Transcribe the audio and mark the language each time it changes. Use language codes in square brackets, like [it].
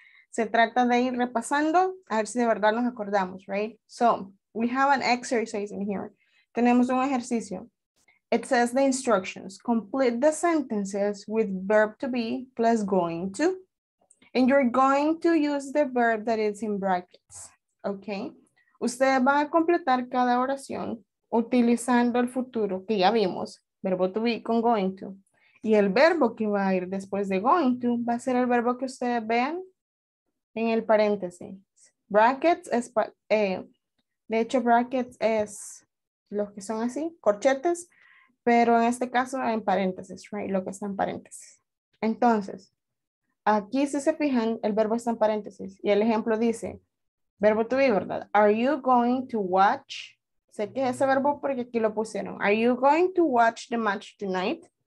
[es] Se trata de ir repasando, a ver si de verdad nos acordamos, right? [en] So, we have an exercise in here. [es] Tenemos un ejercicio. [en] It says the instructions. Complete the sentences with verb to be plus going to. And you're going to use the verb that is in brackets, okay? [es] Ustedes van a completar cada oración utilizando el futuro que ya vimos, verbo to be con going to. Y el verbo que va a ir después de going to va a ser el verbo que ustedes vean en el paréntesis. Brackets es, de hecho, brackets es los que son así, corchetes, pero en este caso en paréntesis, right? Lo que está en paréntesis. Entonces, aquí si se fijan, el verbo está en paréntesis y el ejemplo dice, verbo to be, ¿verdad? [en] Are you going to watch? [es] Sé que es ese verbo porque aquí lo pusieron. [en] Are you going to watch the match tonight?